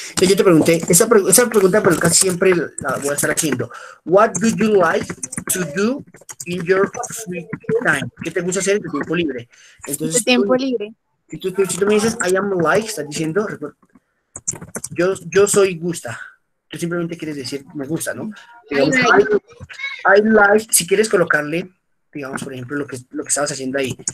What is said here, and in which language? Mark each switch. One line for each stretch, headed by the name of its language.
Spanish: Entonces yo te pregunté, esa pregunta por acá siempre la voy a estar haciendo.
English: What do you like to do in your free time?
Spanish: ¿Qué te gusta hacer en tu tiempo libre? Entonces, tu tiempo libre. Y tú me dices,
English: I am like,
Spanish: estás diciendo, yo soy gusta. Tú simplemente quieres decir, me gusta, ¿no? Digamos,
English: I like,
Spanish: si quieres colocarle, digamos, por ejemplo, lo que estabas haciendo ahí.